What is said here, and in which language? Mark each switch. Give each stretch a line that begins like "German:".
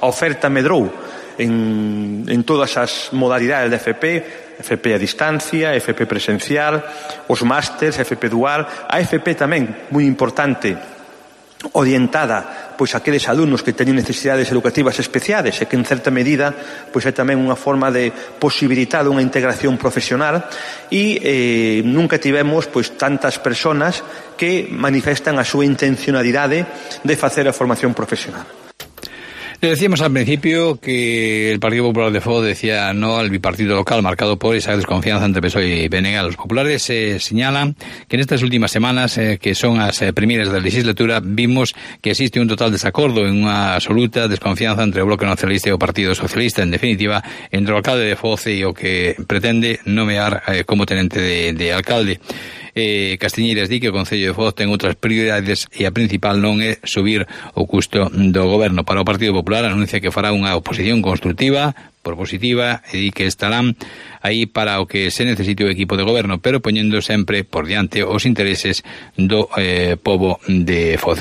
Galician: A oferta medrou en todas as modalidades de FP, FP a distancia, FP presencial, os másteres, FP dual, a FP tamén, moi importante, orientada pois a aqueles alumnos que teñen necesidades educativas especiais, e que en certa medida pois é tamén unha forma de posibilitar unha integración profesional, e nunca tivemos pois tantas persoas que manifestan a súa intencionalidade de facer a formación profesional.
Spanish: Le decíamos al principio que el Partido Popular de Fogo decía no al bipartito local, marcado por esa desconfianza entre PSOE y PNG. Los populares señalan que en estas últimas semanas, que son las primeras de la legislatura, vimos que existe un total desacuerdo, en una absoluta desconfianza entre el Bloque Nacionalista y el Partido Socialista, en definitiva, entre el alcalde de Fogo y lo que pretende nomear como tenente de alcalde.
Galician: Castiñeiras di que o Concello de Foz ten outras prioridades e a principal non é subir o custo do goberno. Para o Partido Popular anuncia que fará unha oposición constructiva propositiva e que estarán aí para o que se necesite o equipo de goberno, pero poñendo sempre por diante os intereses do povo de Foz.